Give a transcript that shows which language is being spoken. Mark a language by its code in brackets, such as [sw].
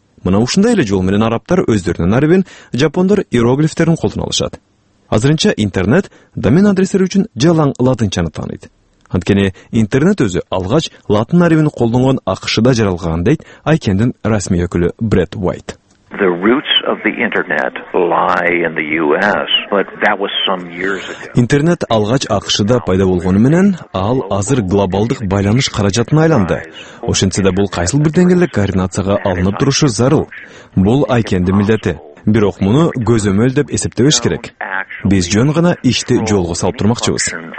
[ky] Мына ушундай эле жол менен арабтар өздөрүнүн арибин, жапондор иероглифтерин колдонушат. Азырынча интернет домен адрестери үчүн жалаң латынчаны тааныйт. Анткени интернет өзү алгач латын арибин колдонгон АКШ-да жаралган дейт Айкендин расмий өкүлү Брэд Уайт. [en] The roots of the internet lie in the US, but that was some years ago. [ky] Интернет алгач АКШ-да пайда болгону менен ал азыр глобалдык байланыш каражатына айланды. Ошентсе да бул кайсыл бир деңгээлде координацияга алынып турушу зарыл. Бул Айкендин милдети. Бирок муну көзөмөл деп эсептебеш керек. Биз жөн гана ишти жолго салып турмакчыбыз.